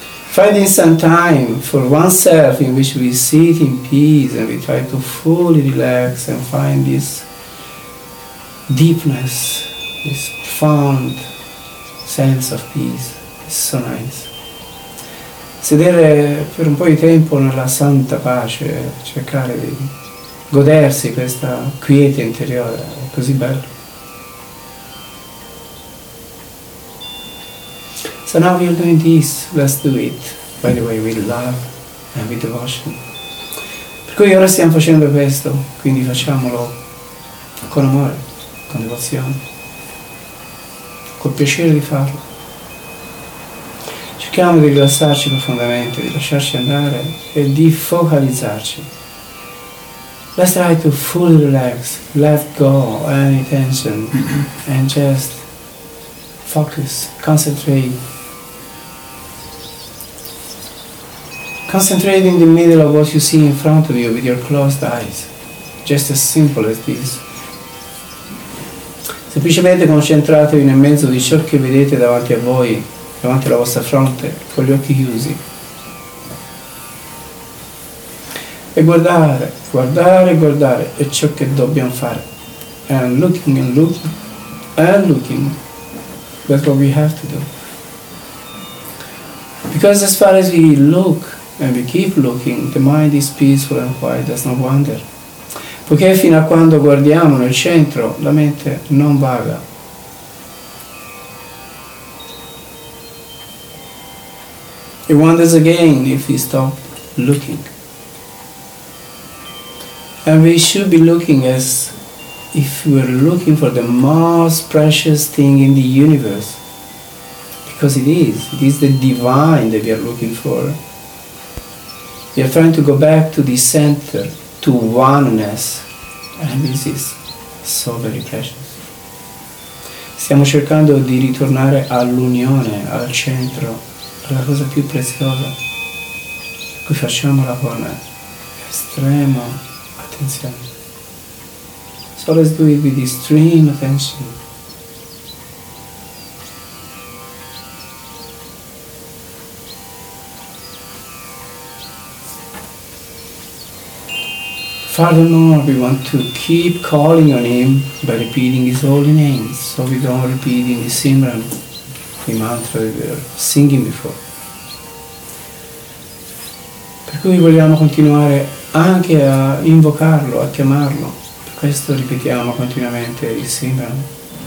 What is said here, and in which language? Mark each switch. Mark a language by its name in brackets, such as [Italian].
[English] Finding some time for oneself in which we sit in peace and we try to fully relax and find this deepness, this profound sense of peace. It's so nice. [Italian] Sedere per un po' di tempo nella santa pace, cercare di godersi questa quiete interiore, è così bello. [English] So now we are doing this, let's do it, by the way, with love and with devotion. [Italian] Per cui ora stiamo facendo questo, quindi facciamolo con amore, con devozione, col piacere di farlo. Cerchiamo di rilassarci profondamente, di lasciarci andare e di focalizzarci. [English] Let's try to fully relax, let go any tension and just focus, concentrate. Concentrate in the middle of what you see in front of you with your closed eyes. Just as simple as this. [Italian] Semplicemente concentratevi nel mezzo di ciò che vedete davanti a voi, davanti alla vostra fronte, con gli occhi chiusi. E guardare, guardare, guardare, è ciò che dobbiamo fare. [English] And looking, and looking, and looking. That's what we have to do. Because as far as we look, and we keep looking, the mind is peaceful and quiet, does not wander. [Italian] Poiché fino a quando guardiamo nel centro, la mente non vaga. [English] It wanders again if we stop looking. And we should be looking as if we are looking for the most precious thing in the universe, because it is the divine that we are looking for, we are trying to go back to the center, to oneness, and this is so very precious. [Italian] Stiamo cercando di ritornare all'unione, al centro, alla cosa più preziosa, per cui facciamola con estrema attenzione. [English] So let's do it with extreme attention. Furthermore, we want to keep calling on Him by repeating His holy name, so we don't repeat in the Simran, the mantra we were singing before. [Italian] Per cui vogliamo continuare anche a invocarlo, a chiamarlo. Per questo ripetiamo continuamente il Simran.